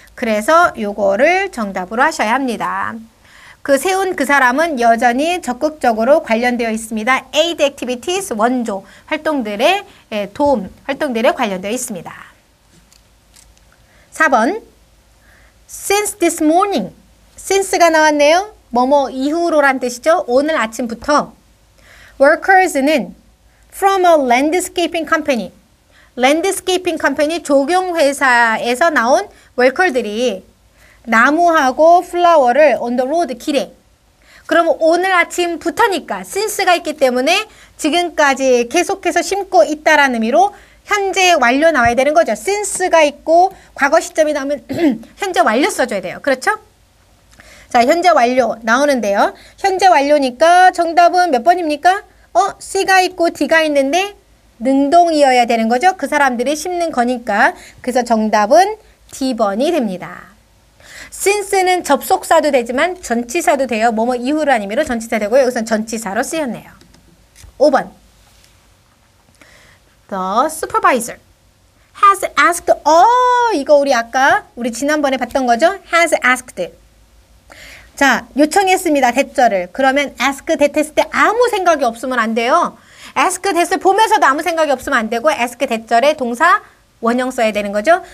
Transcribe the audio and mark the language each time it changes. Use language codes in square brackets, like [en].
[ko] 그래서 요거를 정답으로 하셔야 합니다. 그 세운 그 사람은 여전히 적극적으로 관련되어 있습니다. aid activities, 원조, 활동들의 도움, 활동들에 관련되어 있습니다. [en] 4번. Since this morning. [ko] Since가 나왔네요. 뭐뭐 이후로란 뜻이죠. 오늘 아침부터. [en] Workers는 from a landscaping company. [ko] Landscaping company 조경회사에서 나온 worker들이 나무하고 플라워를 [en] on the road [ko] 길에. 그럼 오늘 아침부터니까 since가 있기 때문에 지금까지 계속해서 심고 있다라는 의미로 현재 완료 나와야 되는 거죠. since가 있고 과거 시점이 나오면 현재 완료 써줘야 돼요. 그렇죠? 자, 현재 완료 나오는데요. 현재 완료니까 정답은 몇 번입니까? C가 있고 D가 있는데 능동이어야 되는 거죠. 그 사람들이 심는 거니까. 그래서 정답은 D번이 됩니다. since는 접속사도 되지만 전치사도 돼요. 뭐뭐 이후라는 의미로 전치사 되고 여기서는 전치사로 쓰였네요. 5번. [en] The supervisor has asked. [ko] 이거 우리 지난번에 봤던 거죠. has asked. 자, 요청했습니다. 대절을. 그러면 ask that 했을 때 아무 생각이 없으면 안 돼요. ask that을 보면서도 아무 생각이 없으면 안 되고 ask that절에 동사 원형 써야 되는 거죠.